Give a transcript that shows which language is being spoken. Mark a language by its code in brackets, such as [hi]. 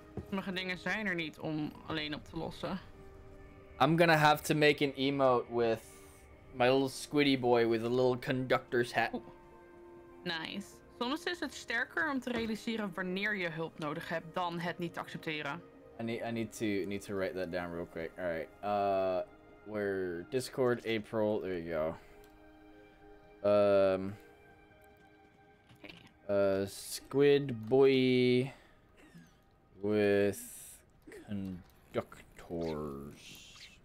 [nl] Sommige dingen zijn er niet om alleen op te lossen. [en] I'm gonna have to make an emote with my little squiddy boy with a little conductor's hat. Nice. [nl] Soms is het sterker om te realiseren wanneer je hulp nodig hebt dan het niet accepteren. [en] I need to write that down real quick. All right. We're Discord April. There you go. Squid boy with conductors.